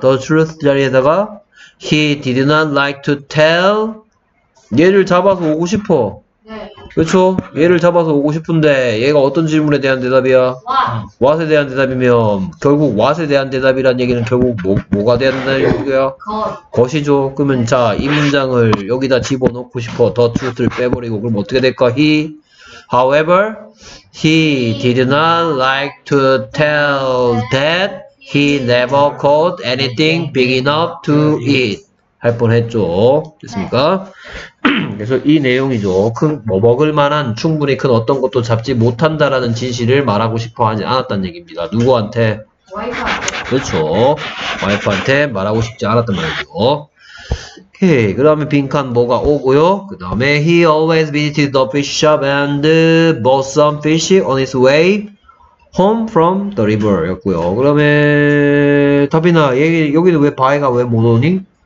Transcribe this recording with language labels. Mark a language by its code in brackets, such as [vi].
[en] the truth [ko] 자리에다가 [en] He did not like to tell. [ko] 얘를 잡아서 오고 싶어. 네. 그쵸? 얘를 잡아서 오고 싶은데, 얘가 어떤 질문에 대한 대답이야? [en] What? [ko] What에 대한 대답이면, 결국 What에 대한 대답이란 얘기는 결국 뭐가 된다는 얘기야? [en] God. [ko] 것이죠. 그러면 자, 이 문장을 여기다 집어넣고 싶어. The truth를 빼버리고. 그럼 어떻게 될까? [en] He, however, he did not like to tell that. He never caught anything big enough to eat. [ko] 할 뻔했죠. 됐습니까? 그래서 이 내용이죠. 큰, 뭐 먹을 만한 충분히 큰 어떤 것도 잡지 못한다라는 진실을 말하고 싶어 하지 않았다는 얘기입니다. 누구한테? 와이프한테. 그렇죠. 와이프한테 말하고 싶지 않았단 말이죠. 오케이. 그 다음에 빈칸 뭐가 오고요. 그 다음에 [en] He always visited the fish shop and bought some fish on his way. Home from the river [ko] 였고요. 그러면 답이나 얘기, 여기는 왜 바위가 왜 못 오니?